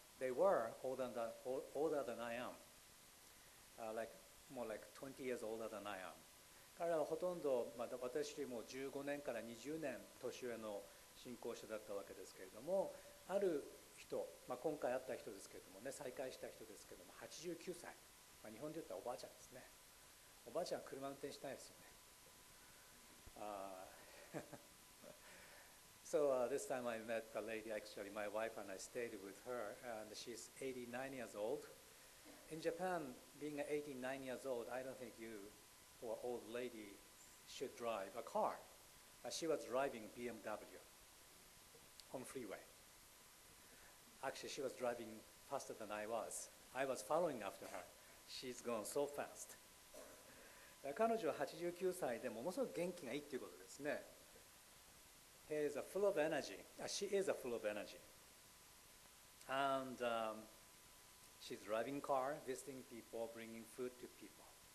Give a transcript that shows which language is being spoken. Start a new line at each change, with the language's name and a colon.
English: they were older than I am, like more like 20 years older than I am.
Japanese: 彼らはほとんど、まあ、私よりも15年から20年年上の信仰者だったわけですけれども、ある人、まあ、今回会った人ですけれどもね、再会した人ですけれども、89歳、まあ、日本で言ったらおばあちゃんですね。おばあちゃんは車運転しないですよね。
English: So, this time I met a lady, actually my wife, and I stayed with her, and she's 89 years old. In Japan, being 89 years old, I don't think you or old lady should drive a car. She was driving BMW on freeway. Actually, she was driving faster than I was. I was following after her. She's gone so fast.
Japanese: 彼女は89歳でものすごく元気がいいっていうことですね。
English: He is a full of energy. She is a full of energy. And、she's driving car, visiting people, bringing food to people.